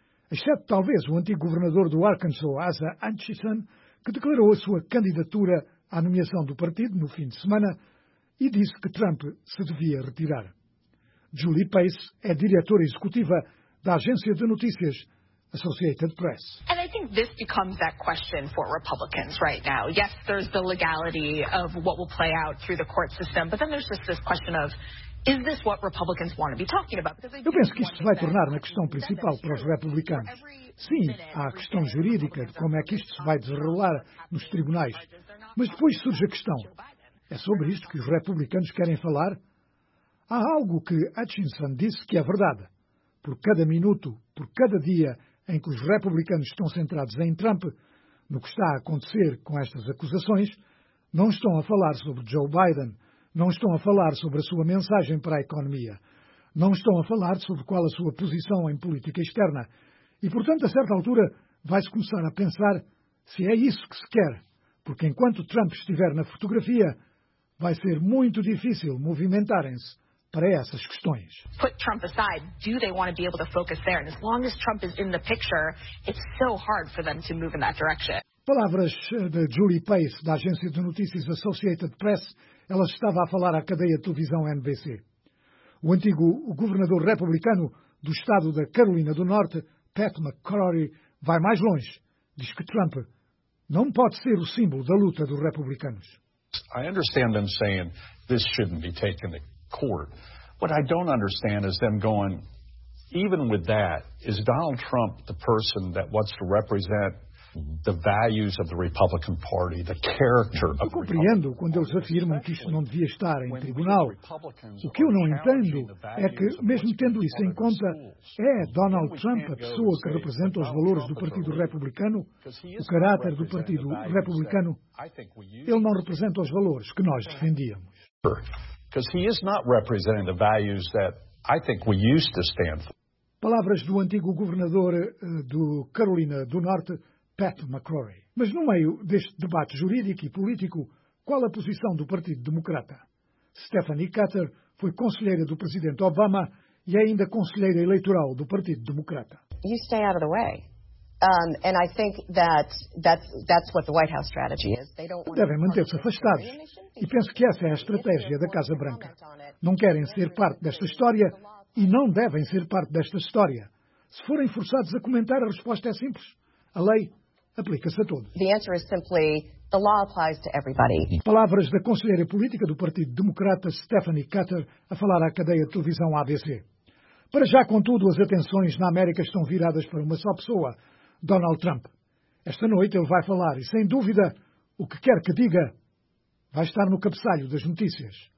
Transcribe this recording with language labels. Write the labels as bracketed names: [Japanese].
[Portuguese] Exceto, talvez, o antigo governador do Arkansas, Asa Hutchinson, que declarou a sua candidatura à nomeação do partido no fim de semana e disse que Trump se devia retirar. Julie Pace é diretora executiva da agência de notícias Associated Press. [English] And I think this becomes that question for Republicans right now. Yes, there's the legality of what will play out through the court system, but then there's just this question of, is this what Republicans want to be talking about? [Portuguese] Eu penso que isto se vai tornar na questão principal para os republicanos. Sim, há a questão jurídica de como é que isto se vai desenrolar nos tribunais. Mas depois surge a questão. É sobre isto que os republicanos querem falar? Há algo que Hutchinson disse que é verdade. Por cada minuto, por cada dia em que os republicanos estão centrados em Trump, no que está a acontecer com estas acusações, não estão a falar sobre Joe Biden, não estão a falar sobre a sua mensagem para a economia, não estão a falar sobre qual a sua posição em política externa. E, portanto, a certa altura, vai-se começar a pensar se é isso que se quer, porque enquanto Trump estiver na fotografia, vai ser muito difícil movimentarem-se para essas questões. [English] Put Trump aside, do they want to be able to focus there? And as long as Trump is in the picture, it's so hard for them to move in that direction. [Portuguese] Palavras de Julie Pace, da agência de notícias Associated Press, ela estava a falar à cadeia de televisão NBC. O antigo governador republicano do estado da Carolina do Norte, Pat McCrory, vai mais longe. Diz que Trump não pode ser o símbolo da luta dos republicanos. [English] I understand them saying this shouldn't be taken to court. What I don't understand is them going, even with that, is Donald Trump the person that wants to represent the values of the Republican Party, the character of the Republican Party? [Portuguese] Eu compreendo quando eles afirmam que isto não devia estar em tribunal. O que eu não entendo é que, mesmo tendo isso em conta, é Donald Trump a pessoa que representa os valores do Partido Republicano, o caráter do Partido Republicano? Ele não representa os valores que nós defendíamos. [English] Because he is not representing the values that I think we used to stand for. [Portuguese] Palavras do antigo governador do Carolina do Norte, Pat McCrory. Mas no meio deste debate jurídico e político, qual a posição do Partido Democrata? Stephanie Cutter foi conselheira do presidente Obama e ainda conselheira eleitoral do Partido Democrata. [English] You stay out of the way. And I think that's what the White House strategy is. [Portuguese] Devem manter-se afastados. E penso que essa é a estratégia da Casa Branca. Não querem ser parte desta história e não devem ser parte desta história. Se forem forçados a comentar, a resposta é simples. A lei aplica-se a todos. [English] The answer is simply, the law applies to everybody. [Portuguese] Palavras da conselheira política do Partido Democrata, Stephanie Cutter, a falar à cadeia de televisão ABC. Para já, contudo, as atenções na América estão viradas para uma só pessoa, Donald Trump. Esta noite ele vai falar e, sem dúvida, o que quer que diga vai estar no cabeçalho das notícias.